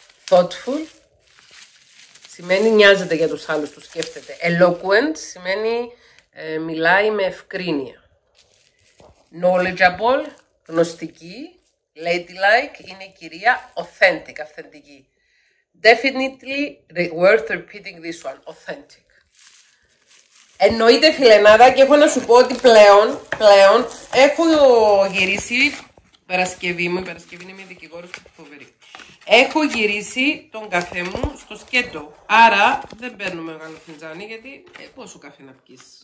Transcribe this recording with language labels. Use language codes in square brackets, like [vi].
[en] Thoughtful. [el] Σημαίνει νοιάζεται για τους άλλους, τους σκέφτεται. [en] Eloquent [el] σημαίνει μιλάει με ευκρίνεια. [en] Knowledgeable. [el] Γνωστική, [en] ladylike, [el] είναι η κυρία, [en] authentic, [el] αυθεντική. [en] Definitely worth repeating this one, authentic. [el] Εννοείται φιλενάδα και έχω να σου πω ότι πλέον, έχω γυρίσει, Παρασκευή μου, η Παρασκευή είναι μια δικηγόρος που φοβερή. Έχω γυρίσει τον καφέ μου στο σκέτο, άρα δεν παίρνω μεγάλο φιντζάνι γιατί πόσο καφέ να πεις.